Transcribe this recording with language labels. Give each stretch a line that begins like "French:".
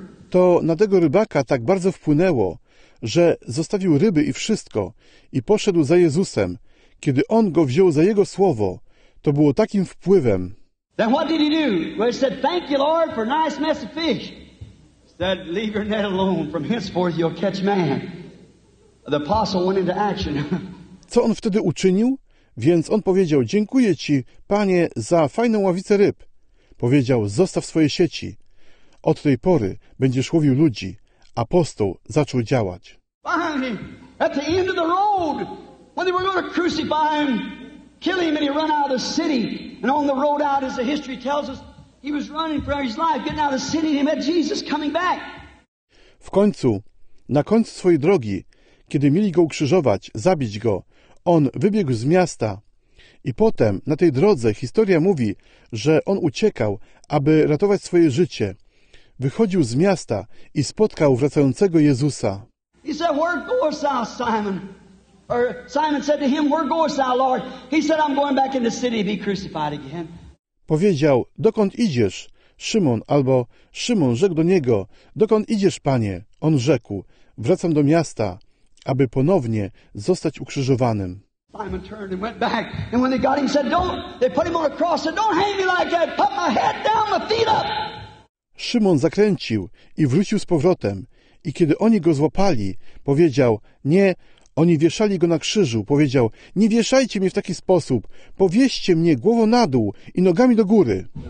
Polish: To na tego rybaka tak bardzo wpłynęło, że zostawił ryby i wszystko i poszedł za Jezusem. Kiedy on go wziął za jego słowo, to było takim wpływem.
English: Then what did he do? Well, he said, thank you, Lord, for a nice mess of fish. He said, leave your net alone. From henceforth you'll catch man. The apostle went into action.
Polish: Co on wtedy uczynił? Więc on powiedział, dziękuję ci, Panie, za fajną ławicę ryb. Powiedział, zostaw swoje sieci. Od tej pory będziesz łowił ludzi. Apostoł zaczął działać.
English: Finally, at the end of the road, when they were going to crucify him, kill him, and he ran out of the city. And on the road out, as the history tells us, he was running for his life, getting out of the city, and he met Jesus coming back.
Polish: W końcu, na końcu swojej drogi, kiedy mieli go ukrzyżować, zabić go, on wybiegł z miasta. I potem, na tej drodze, historia mówi, że on uciekał, aby ratować swoje życie. Wychodził z miasta i spotkał wracającego Jezusa.
English: He said, where goest thou, Simon? Or Simon said to him, where goest thou, Lord? He said, I'm going back in the city to be crucified again.
Polish: Powiedział, dokąd idziesz, Szymon, albo Szymon rzekł do niego, dokąd idziesz, Panie? On rzekł, wracam do miasta, aby ponownie zostać ukrzyżowanym.
English: Simon turned and went back. And when they got him, said, don't, they put him on a cross, said, don't hang me like that, put my head down, my feet up.
Polish: Szymon zakręcił i wrócił z powrotem. I kiedy oni go złapali, powiedział, nie, oni wieszali go na krzyżu, powiedział, nie wieszajcie mnie w taki sposób, powieście mnie głową na dół i nogami do góry.